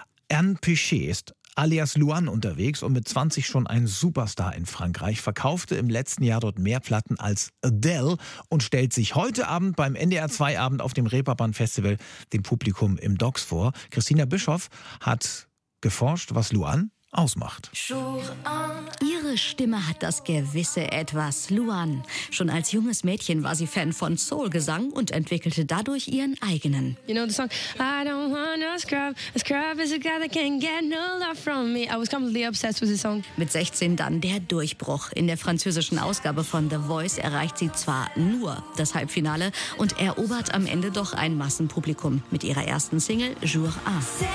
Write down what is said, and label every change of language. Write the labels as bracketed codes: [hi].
[de] Anne Péché ist alias Luan unterwegs und mit 20 schon ein Superstar in Frankreich, verkaufte im letzten Jahr dort mehr Platten als Adele und stellt sich heute Abend beim NDR2-Abend auf dem Reeperbahn-Festival dem Publikum im Docks vor. Christina Bischoff hat geforscht, was Luan ausmacht. Ihre Stimme hat das gewisse Etwas, Luan. Schon als junges Mädchen war sie Fan von Soul-Gesang und entwickelte dadurch ihren eigenen. [en] You know the song, I don't want no scrub, a scrub is a guy that can't get no love from me. I was completely obsessed with the song. [de] Mit 16 dann der Durchbruch. In der französischen Ausgabe von The Voice erreicht sie zwar nur das Halbfinale und erobert am Ende doch ein Massenpublikum mit ihrer ersten Single Jour 1.